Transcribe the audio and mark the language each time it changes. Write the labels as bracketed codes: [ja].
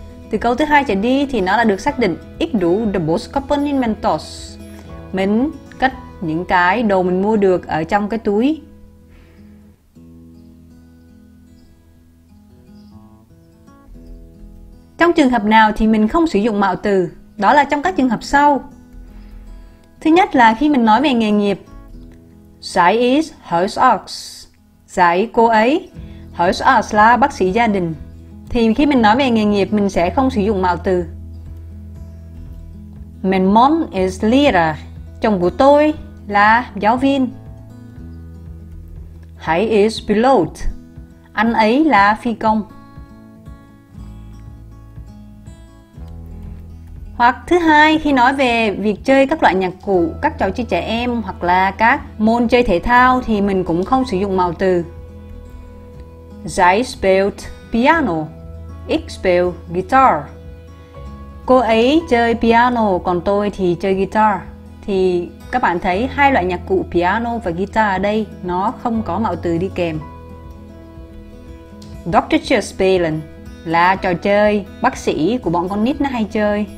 [vi] Từ câu thứ hai trở đi thì nó đã được xác định. [nl] Ik doe de boodschappen in mijn tas, [vi] mình cất những cái đồ mình mua được ở trong cái túi. Trong trường hợp nào thì mình không sử dụng mạo từ? Đó là trong các trường hợp sau. Thứ nhất là khi mình nói về nghề nghiệp. [nl] Zij is huisarts, zij [vi] cô ấy. Huisarts là bác sĩ gia đình. Thì khi mình nói về nghề nghiệp mình sẽ không sử dụng mạo từ. [nl] Mijn man is leraar, [vi] chồng của tôi là giáo viên. [nl] Hij is piloot, [vi] anh ấy là phi công. Hoặc thứ hai, khi nói về việc chơi các loại nhạc cụ, các trò chơi trẻ em hoặc là các môn chơi thể thao thì mình cũng không sử dụng mạo từ. [nl] Zij speelt piano, ik speel guitar. [vi] Cô ấy chơi piano, còn tôi thì chơi guitar. Thì các bạn thấy hai loại nhạc cụ piano và guitar ở đây nó không có mạo từ đi kèm. Dr. Spelen là trò chơi bác sĩ của bọn con nít nó hay chơi.